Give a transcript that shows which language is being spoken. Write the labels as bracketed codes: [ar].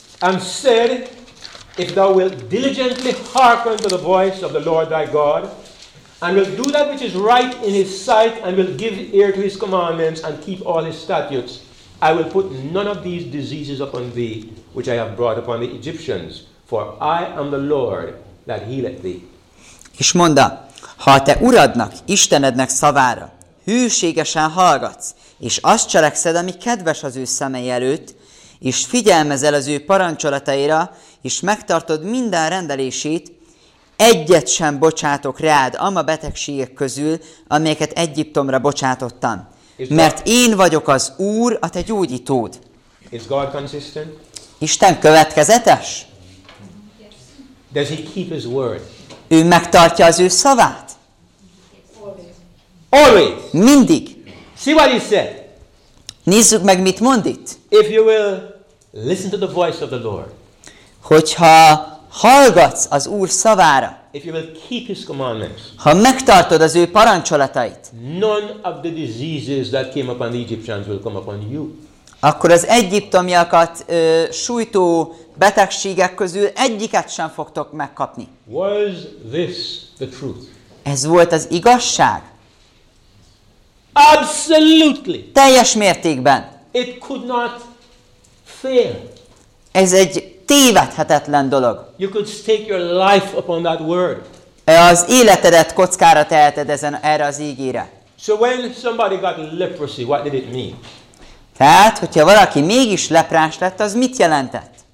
[en] And said, if thou wilt diligently hearken to the voice of the Lord thy God, and will do that which is right in his sight, and will give ear to his commandments, and keep all his statutes, I will put none of these diseases upon thee, which I have brought upon the Egyptians, for I am the Lord that healeth thee. [hu] És mondta, ha te uradnak, Istenednek szavára, hűségesen hallgatsz, és azt cselekszed, ami kedves az ő szemei előtt, és figyelmezel az ő parancsolataira, és megtartod minden rendelését, egyet sem bocsátok rád ama betegségek közül, amelyeket Egyiptomra bocsátottam. Mert én vagyok az Úr, a te gyógyítód. [en] Is God consistent? [hu] Isten következetes? [en] Does he keep his word? [hu] Ő megtartja az ő szavát? [en] Always. [hu] Mindig. [en] See what he said. [hu] Nézzük meg, mit mond itt. [en] If you will listen to the voice of the Lord. [hu] Hogyha hallgatsz az Úr szavára. [en] If you will keep his commandments. [hu] Ha megtartod az ő parancsolatait. [en] None of the diseases that came upon the Egyptians will come upon you. [hu] Akkor az egyiptomiakat sújtó betegségek közül egyiket sem fogtok megkapni. [en] Was this the truth? [hu] Ez volt az igazság? [en] Absolutely. [hu] Teljes mértékben. [en] It could not fail. [hu] Ez egy tévedhetetlen dolog. [en] You could stake your life upon that word. [hu] Az életedet kockára teheted ezen erre az ígére. [en] So when somebody got leprosy, what did it mean? [hu] Tehát, hogyha valaki mégis leprás lett, az mit jelentett?